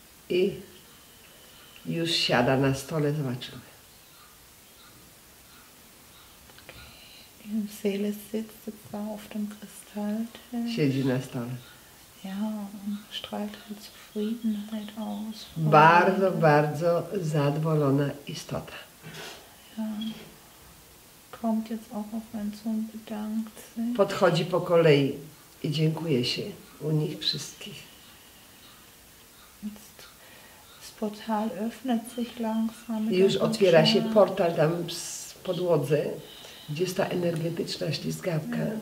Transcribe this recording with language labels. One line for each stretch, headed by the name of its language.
Polish: I już siada na stole, zobaczymy.
German: Seele sitzt jetzt auf dem Kristalltisch.
Polish: Siedzi na stole.
German: Ja, strahlt halt Zufriedenheit aus.
Polish: Bardzo, bardzo zadowolona istota.
German: Ja. Kommt jetzt auch auf mein Sohn, bedankt sich.
Polish: Podchodzi po kolei i dziękuję się u nich wszystkich.
German: Portal öffnet sich langsam.
Polish: Już otwiera się portal tam w podłodze, gdzie jest ta energetyczna ślizgawka.